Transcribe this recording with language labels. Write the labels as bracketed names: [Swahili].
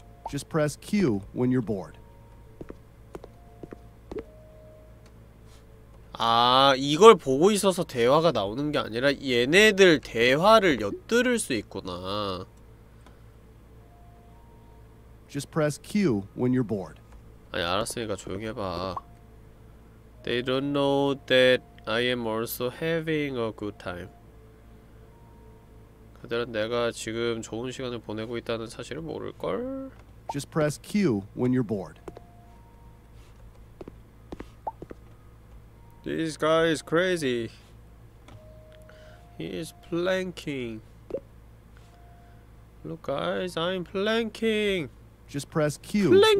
[English] Just press Q when you're bored. [Korean] 아, 이걸 보고 있어서 대화가 나오는 게 아니라 얘네들 대화를 엿들을 수 있구나. [English] Just press Q when you're bored. [Korean] 아니, 알았으니까 조용히 해봐. [English] They don't know that I am also having a good time. [Korean] 그들은 내가 지금 좋은 시간을 보내고 있다는 사실을 모를걸? [English] Just press Q when you're bored. This guy is crazy. He is planking. Look, guys, I'm planking. Just press Q when you're